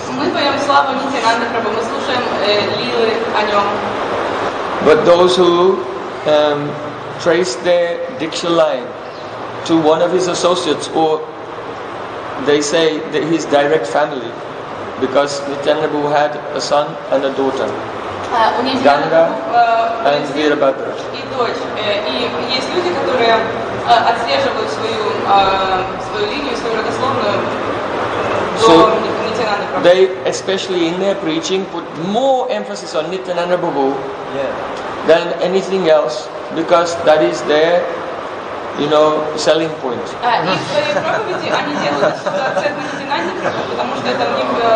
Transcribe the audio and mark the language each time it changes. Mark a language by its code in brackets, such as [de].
[en] But those who trace their diksha line to one of his associates, or they say that his direct family, because Nityananda Prabhu had a son and a daughter. Ганга and Вирабхадра. [ru] И дочь. И есть люди, которые отслеживают свою линию, свою родословную до Нитянанда Прабху. [en] They especially in their preaching put more emphasis on Нитянанда Прабху than anything else, because that is their, you know, selling point. [ru] И в своей проповеди они делают акцент на Нитянанда Прабху, потому что это у них